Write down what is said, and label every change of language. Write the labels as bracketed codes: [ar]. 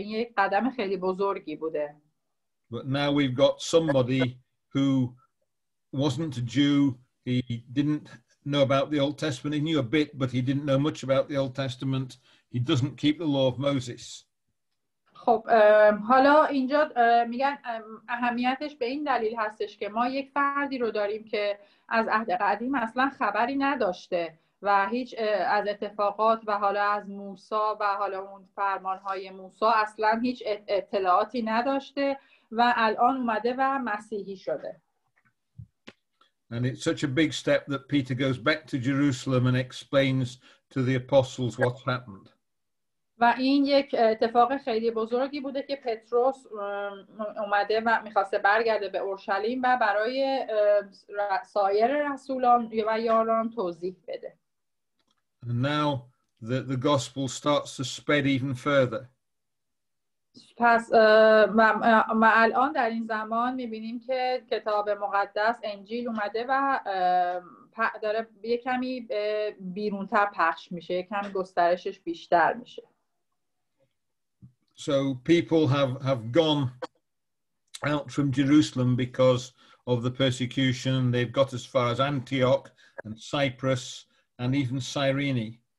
[fa] این یک قدم خیلی بزرگی بوده. [en] But now we've got somebody who wasn't a Jew. He didn't know about the Old Testament. He knew a bit, but he didn't know much about the Old Testament. He doesn't keep the law of Moses. [fa] خب حالا اینجا میگن اهمیتش به این دلیل هستش که ما یک فردی رو داریم که از عهد قدیم اصلا خبری نداشته و هیچ از اتفاقات و حالا از موسی و حالا اون فرمانهای موسی اصلا هیچ اطلاعاتی نداشته و الان اومده و مسیحی شده. [en] And it's such a big step that Peter goes back to Jerusalem and explains to the apostles what's happened. [fa] و این یک اتفاق خیلی بزرگی بوده که پتروس اومده و میخواسته برگرده به اورشلیم و برای سایر رسولان و یاران توضیح بده. [en] And now the gospel starts to spread even further. [fa] پس ما الان در این زمان میبینیم که کتاب مقدس انجیل اومده و داره یک کمی بیرونتر پخش میشه، یک کمی گسترشش بیشتر میشه. [en] So people have gone out from Jerusalem because of the persecution. They've got as far as Antioch and Cyprus and even Cyrene.